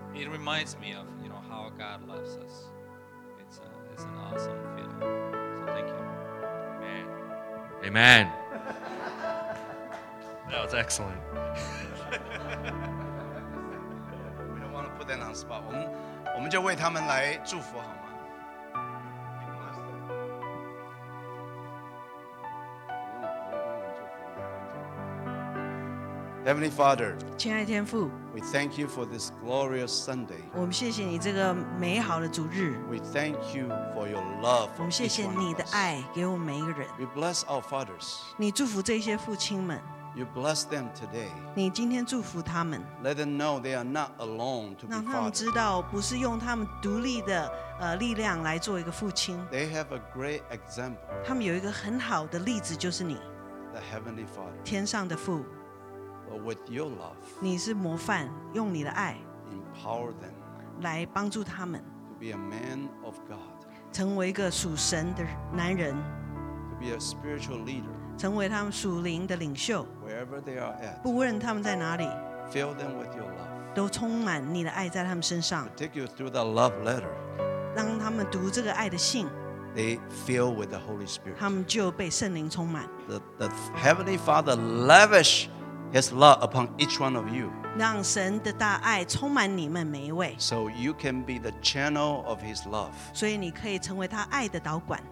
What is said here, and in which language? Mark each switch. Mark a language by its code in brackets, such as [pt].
[en] reminds me of, you know, how God loves us. It's an awesome feeling. So thank you. Amen. Amen. That was excellent. We don't want to put them on the spot. [zh] 我们就为他们来祝福好吗？ [en] Heavenly Father, [zh] 亲爱天父, [en] we thank you for this glorious Sunday. [zh] 我们谢谢你这个美好的主日, [en] we thank you for your love. [zh] 我们谢谢你的爱给我们每一个人, [en] we bless our fathers. [zh] 你祝福这些父亲们, [en] you bless them today. [zh] 你今天祝福他们, [en] let them know they are not alone to be fathers. [zh] 让他们知道不是用他们独立的, 力量来做一个父亲, [en] they have a great example. [zh] 他们有一个很好的例子就是你, [en] the Heavenly Father. [zh] 天上的父, [en] with your love, [zh] 你是模范, 用你的爱, [en] empower them, [zh] 来帮助他们, [en] to be a man of God, [zh] 成为一个属神的男人, [en] to be a spiritual leader, [zh] 成为他们属灵的领袖, [en] wherever they are at, [zh] 不论他们在哪里, [en] fill them with your love, [zh] 都充满你的爱在他们身上, [en] particularly through the love letter, [zh] 让他们读这个爱的信, [en] they fill with the Holy Spirit, [zh] 他们就被圣灵充满, [en] the Heavenly Father lavish His love upon each one of you. [zh] 让神的大爱充满你们每一位, [en] so you can be the channel of His love. [zh] 所以你可以成为他爱的导管,